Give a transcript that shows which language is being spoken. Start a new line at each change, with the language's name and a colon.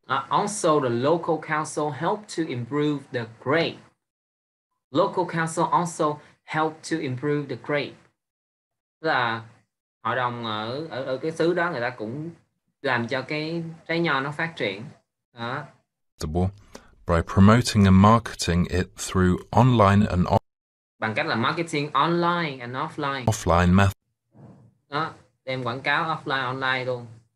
English: Also, the local council helped to improve the grape. Local council also helped to improve the grape.
Vietnamese: Là hội đồng ở cái xứ đó người ta cũng làm cho cái trái nho nó phát triển. Đó.
English: By promoting and marketing it through online and offline.
Vietnamese: Bằng cách là marketing
English: online and offline. Offline method.
Vietnamese: Đó, đem quảng cáo offline online luôn.